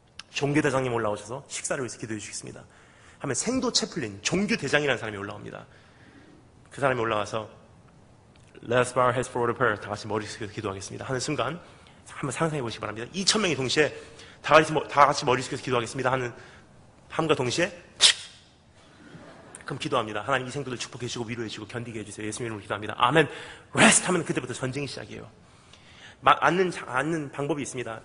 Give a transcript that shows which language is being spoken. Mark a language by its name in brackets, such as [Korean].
[Korean] 종교대장님 올라오셔서 식사를 위해서 기도해 주시겠습니다. 하면 생도 채플린, 종교대장이라는 사람이 올라옵니다. 그 사람이 올라와서 [English] Let's bow our heads forward a prayer. [Korean] 다 같이 머리 숙여서 기도하겠습니다. 하는 순간 한번 상상해 보시기 바랍니다. 2,000명이 동시에 다 같이 머리 숙여서 기도하겠습니다. 하는 함과 동시에 칙! 그럼 기도합니다. 하나님 이 생도들 축복해 주시고 위로해 주시고 견디게 해주세요. 예수님 이름으로 기도합니다. 아멘. Rest 하면 그때부터 전쟁이 시작이에요. 앉는 방법이 있습니다.